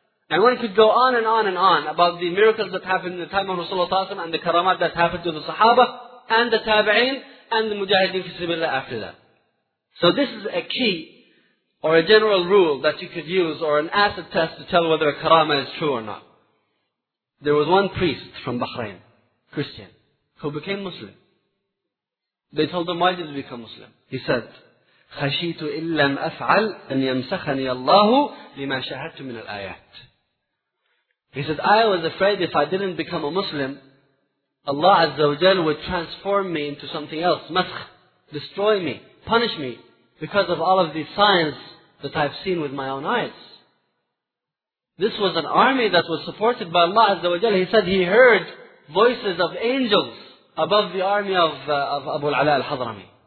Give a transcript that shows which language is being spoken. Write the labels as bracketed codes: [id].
[en] And one could go on and on and on about the miracles that happened in the time of Rasulullah Ta'ala and the karamat that happened to the Sahaba and the Tabi'een and the Mujahideen fi sabilillah after that. So this is a key or a general rule that you could use or an acid test to tell whether a karama is true or not. There was one priest from Bahrain, Christian, who became Muslim. They told him, why did you become Muslim? He said, [ar] خَشِيتُ إِلَّمْ أَفْعَلْ أَنْ يَمْسَخَنِيَ اللَّهُ لِمَا شَهَدْتُ مِنَ الْآيَاتِ. [en] He said, I was afraid if I didn't become a Muslim, Allah Azza wa Jal would transform me into something else. Maskh. Destroy me. Punish me. Because of all of these signs that I've seen with my own eyes. This was an army that was supported by Allah Azza wa Jal. He said he heard voices of angels above the army of Abu al-Ala al-Hadrami.